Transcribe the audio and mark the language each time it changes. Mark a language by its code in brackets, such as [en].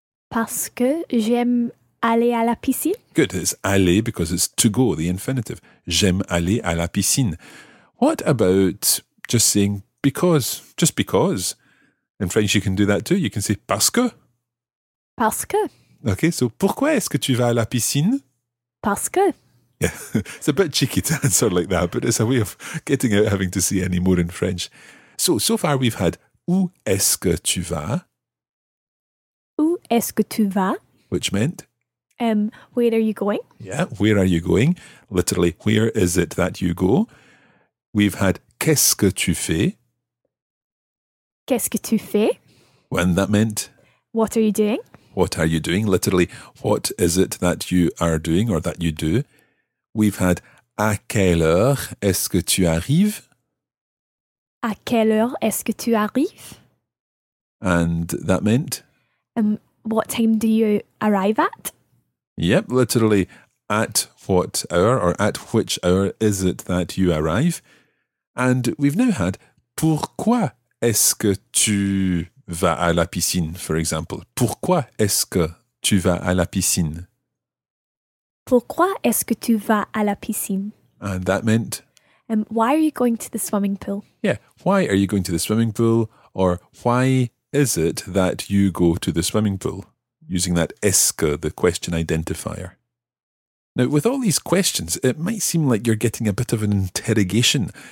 [fr] Parce que j'aime aller à la piscine. [en] Good, it's aller because it's to go, the infinitive. [fr] J'aime aller à la piscine. [en] What about just saying because, just because? In French, you can do that too. You can say [fr] parce que. Parce que. [en] Okay, so [fr] pourquoi est-ce que tu vas à la piscine? Parce que. [en] Yeah, it's a bit cheeky to answer like that, but it's a way of getting out having to say any more in French. So far we've had [fr] où est-ce que tu vas? Où est-ce que tu vas? [en] Which meant? Where are you going? Yeah, where are you going? Literally, where is it that you go? We've had [fr] qu'est-ce que tu fais? Qu'est-ce que tu fais? [en] When that meant? What are you doing? What are you doing? Literally, what is it that you are doing or that you do? We've had, [fr] à quelle heure est-ce que tu arrives? À quelle heure est-ce que tu arrives? [en] And that meant? What time do you arrive at? Yep, literally, at what hour or at which hour is it that you arrive? And we've now had, [fr] pourquoi est-ce que tu vas à la piscine, [en] for example? [fr] Pourquoi est-ce que tu vas à la piscine? Pourquoi est-ce que tu vas à la piscine? [en] And that meant? Why are you going to the swimming pool? Yeah, why are you going to the swimming pool? Or why is it that you go to the swimming pool? Using that est-ce, the question identifier. Now, with all these questions, it might seem like you're getting a bit of an interrogation.